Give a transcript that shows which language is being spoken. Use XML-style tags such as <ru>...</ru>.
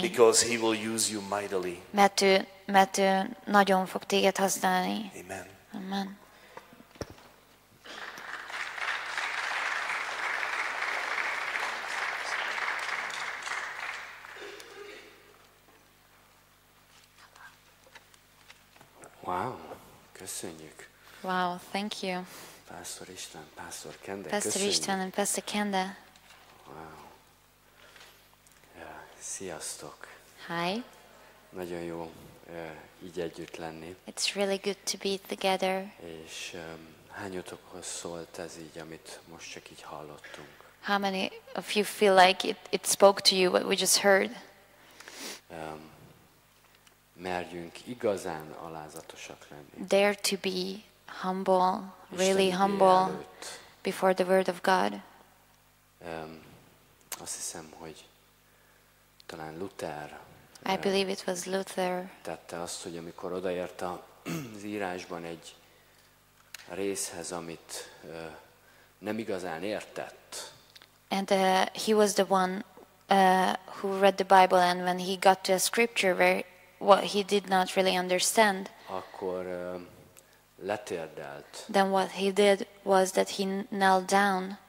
<en>because he will use you mightily.</en> <hu>Mert ő nagyon fog téged használni.</hu> <en>Amen.</en> <hu>Amen. Wow, köszönjük.</hu> <en>Wow, thank you. Pastor István, Pastor Kende. Pastor István and Pastor Kende.</en> <hu>Wow. Yeah, sziasztok.</hu> <en>Hi.</en> <hu>Nagyon jó így együtt lenni.</hu> <en>It's really good to be together.</en> <hu>És hányotokhoz szólt ez így, amit most csak így hallottunk?</hu> <en>How many of you feel like it spoke to you what we just heard?</en> <hu>Merjünk igazán alázatosak lenni.</hu> <en>Dare to be humble, really humble before the word of God.</en> <hu>Azt hiszem, hogy talán Luther.</hu> <en>I believe it was Luther.</en> <hu>Tette azt, hogy amikor odaért az írásban egy részhez, amit nem igazán értett.</hu> <en>And he was the one who read the Bible, and when he got to a scripture where what he did not really understand.</en> <hu>Akkor letérdelt.</hu> <en>Then what he did was that he knelt down.</en>